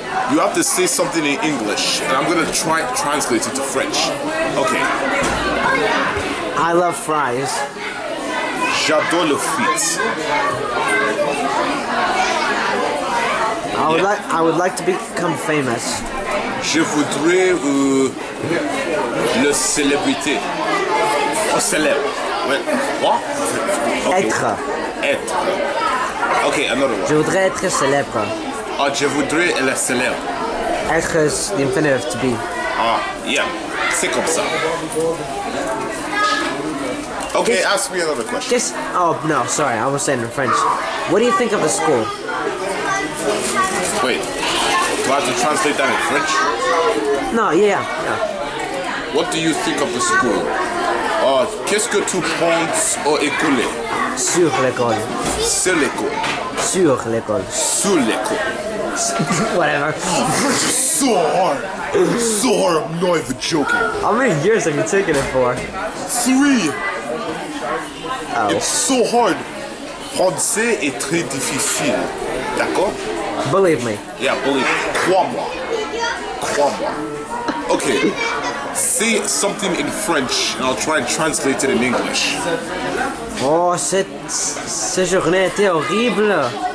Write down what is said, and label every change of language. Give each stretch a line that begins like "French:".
English: You have to say something in English, and I'm gonna try translate it to French. Okay. I love fries.
French: J'adore le frites.
English: I would like to become famous.
French: Je voudrais le célébrité.
English: Oh, célèbre. What? Okay.
French: Être.
English: Être. Okay, another one.
French: Je voudrais être célèbre. Ah, je voudrais être célèbre.
English: Être is the infinitive to be. Ah, yeah.
French: C'est comme ça.
English: Okay, ask me another question. I was saying in French. What do you think of the school? Wait. Do I have to translate that in French? No, yeah. No. What do you think of the school?
French: Qu'est-ce que tu penses au école? Sur l'école. Sur l'école. Sur l'école. Sur l'école.
English: Whatever. French is so hard. So hard, I'm not even joking. How many years have you taken it for? 3. Oh. It's so hard.
French: Français est très difficile. D'accord?
English: Believe me. Yeah, believe me.
French: Crois-moi. Crois-moi.
English: Okay. Say something in French and I'll try and translate it in English.
French: Oh, cette journée était horrible.